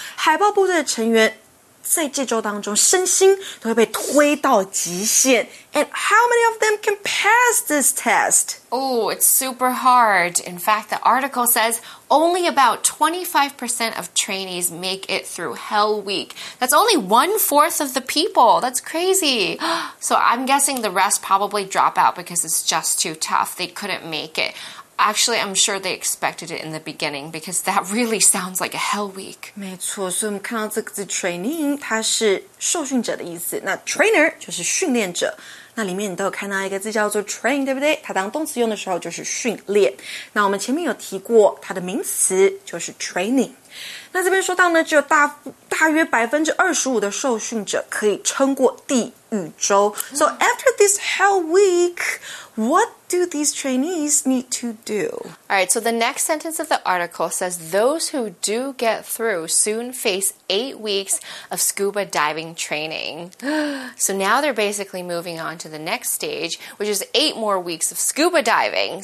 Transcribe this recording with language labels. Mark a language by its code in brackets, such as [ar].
[zh] 海豹部队的成员在这周当中身心都会被推到极限。 [en] And how many of them can pass this test? Oh, it's super hard. In fact, the article says only about 25% of trainees make it through Hell Week. That's only 1/4 of the people. That's crazy. So I'm guessing the rest probably drop out because it's just too tough. They couldn't make it. Actually, I'm sure they expected it in the beginning because that really sounds like a hell week. [zh] 没错，所以我们看到这个字 training, 它是受训者的意思。那 trainer 就是训练者。那里面你都有看到一个字叫做 train, 对不对？它当动词用的时候就是训练。那我们前面有提过它的名词就是 training。那这边说到呢，只有 大约 25% 的受训者可以撑过地狱周。 [en] So after this hell week, what do these trainees need to do? All right, so the next sentence of the article says, those who do get through soon face 8 weeks of scuba diving training. So now they're basically moving on to the next stage, which is 8 more weeks of scuba diving.